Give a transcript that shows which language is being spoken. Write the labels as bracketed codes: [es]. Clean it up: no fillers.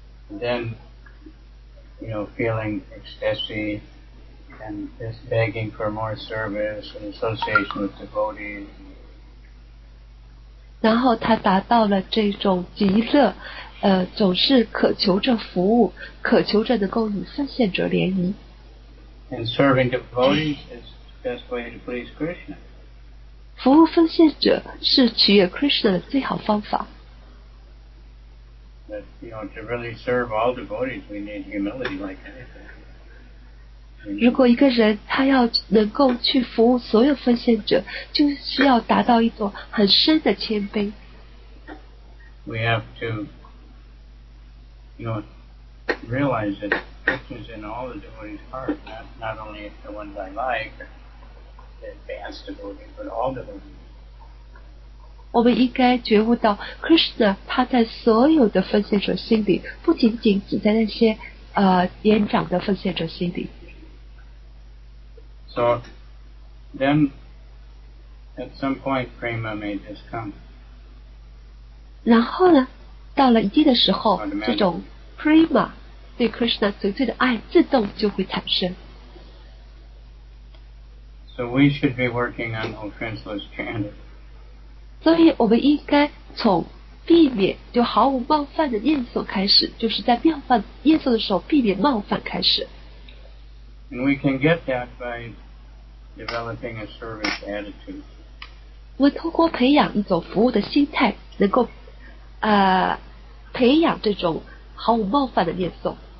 [en] And then, you know, feeling ecstasy and just begging for more service and association with devotees. [zh] 然后他达到了这种极乐，总是渴求着服务，渴求着能够与奉献者联谊。 [en] And serving devotees is the best way to please Krishna. [zh] 服务奉献者是取悦 Krishna 的最好方法。 [en] That, you know, to really serve all devotees, we need humility like anything. [zh] 如果一个人他要能够去服务所有奉献者，就需要达到一种很深的谦卑。 [en] We have to, you know, realize that this is in all the devotees' heart, not only the ones I like, the advanced devotees, but all devotees. [zh] 我们应该觉悟到 ，Krishna 他在所有的奉献者心里，不仅仅只在那些年长的奉献者心里。 [en] So then, at some point, prema may just come. [zh] 然后呢，到了一定的时候，这种 prema 对 Krishna 纯粹的爱自动就会产生。 [en] So we should be working on offenseless chant. [zh] 所以我们应该从避免就毫无冒犯的念诵开始，就是在妙法念诵的时候避免冒犯开始。 [en] And we can get that by. Developing a service attitude. [zh] 我通过培养一种服务的心态，能够培养这种毫无冒犯的念诵。